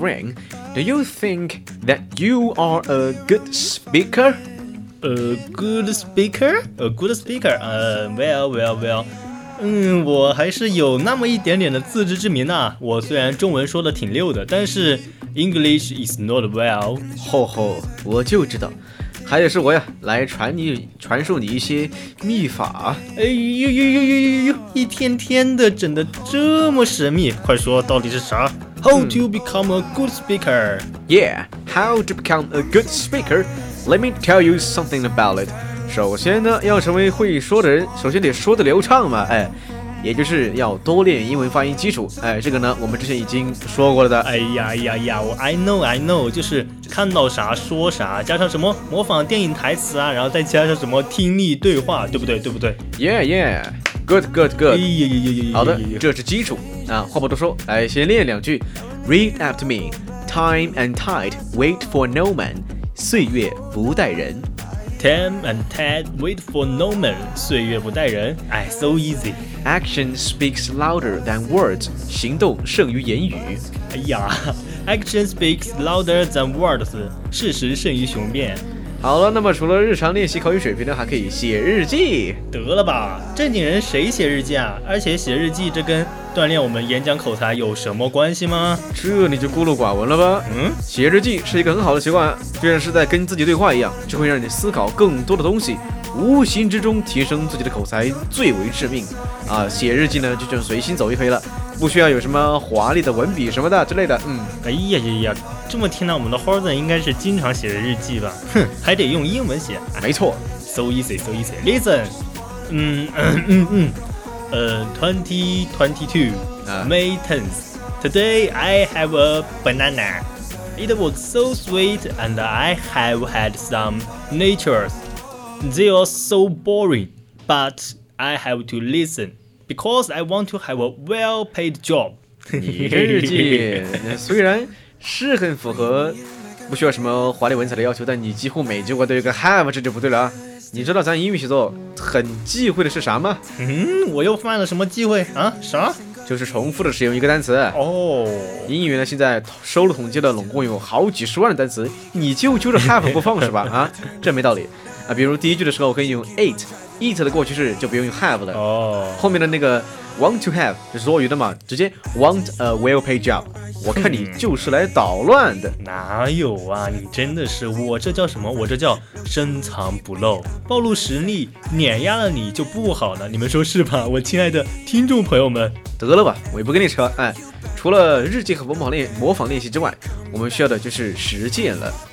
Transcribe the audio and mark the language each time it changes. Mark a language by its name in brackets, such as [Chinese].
[English] Ring, do you think that you are a good speaker? A good speaker? Well. [Chinese] 嗯，我还是有那么一点点的自知之明呐、啊。我虽然中文说的挺溜的，但是 [English] English is not well。 [Chinese] 吼吼，我就知道，还得是我呀，来传授你一些秘法。哎呦呦呦呦呦呦，一天天的整得这么神秘，快说到底是啥 ？ [English] How to become a good speaker？ Yeah， how to become a good speaker？ Let me tell you something about it。 [Chinese] 首先呢，要成为会说的人，首先得说得流畅嘛，哎，也就是要多练英文发音基础，哎，这个呢，我们之前已经说过了的。哎呀呀呀，我 [English] I know， [Chinese] 就是看到啥说啥，加上什么模仿电影台词啊，然后再加上什么听力对话，对不对 [English] ？Yeah，good。 [Chinese] 哎呀呀呀呀，好的，这是基础啊，话不多说，来先练两句 ， [English] Read after me， Time and tide wait for no man， [Chinese] 岁月不待人。 [English] Time and tide wait for no man， [Chinese] 岁月不待人。 [English] 哎 ，so easy。 Action speaks louder than words， [Chinese] 行动胜于言语。 [English] 哎呀 ，action speaks louder than words， [Chinese] 事实胜于雄辩。好了，那么除了日常练习口语水平呢，还可以写日记。得了吧，正经人谁写日记啊？而且写日记这跟锻炼我们演讲口才有什么关系吗？这你就孤陋寡闻了吧。写日记是一个很好的习惯，就像是在跟自己对话一样，这会让你思考更多的东西，无形之中提升自己的口才最为致命啊！写日记呢就像随心走一回了，不需要有什么华丽的文笔什么的之类的。哎呀呀呀，这么听来我们的 Horton 应该是经常写的日记吧。哼，还得用英文写。没错， [English] So easy. Listen， 2022、May 10th Today I have a banana. It was so sweet and I have had some natures. They are so boring, but I have to listen because I want to have a well-paid job. [Chinese] 你这日记虽然是很符合不需要什么华丽文采的要求，但你几乎每句话都有个 have， 这就不对了啊。你知道咱英语写作很忌讳的是啥吗？嗯，我又犯了什么忌讳啊？啥？就是重复的使用一个单词。哦，英语呢现在收了统计了，拢共有好几十万的单词，你就揪着 have 不放是吧？啊，这没道理啊。比如第一句的时候可以用 eat 的过去式，就不用 have 了。哦，后面的那个 want to have 就是多余的嘛，直接 [English] want a well-paid job。 [Chinese] 我看你就是来捣乱的。哪有啊，你真的是，我这叫什么，我这叫深藏不露，暴露实力碾压了你就不好了，你们说是吧，我亲爱的听众朋友们。得了吧，我也不跟你扯。哎，除了日记和模仿练习之外，我们需要的就是实践了。